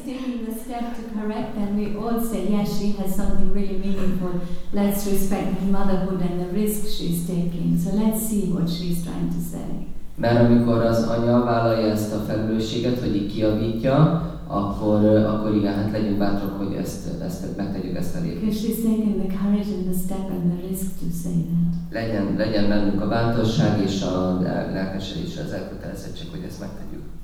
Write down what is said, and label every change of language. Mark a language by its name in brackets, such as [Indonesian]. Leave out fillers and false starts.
[English] Correct, then we all say, yes, she has something really meaningful. Let's respect her motherhood and the risk she's taking. So let's see what she's trying to say. [Hungarian] Mert amikor az anya vállalja ezt a felelősséget, hogy így kiavítja, akkor igen, hát legyünk bátrak, hogy ezt megtegyük, ezt a lépést. [English] Because she's taking the courage and the step and the risk to say that. [Hungarian] Legyen bennünk a bátorság és a lelkesedés, az elkötelezettség, hogy ezt megtegyük.